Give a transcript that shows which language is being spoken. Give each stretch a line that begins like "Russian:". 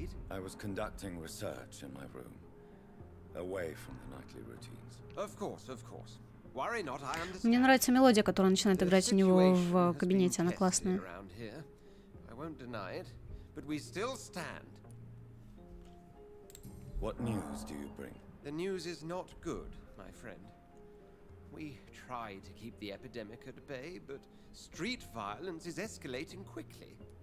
English: I was conducting research in my room, away from the nightly routines. Of course. Worry not, I understand.
Russian: Мне нравится мелодия, которая начинает играть у него в кабинете, она классная.
English: I won't deny it, but we still stand. What news do you bring? The news is not good, my friend. We try to keep the epidemic at bay, but street violence is escalating quickly.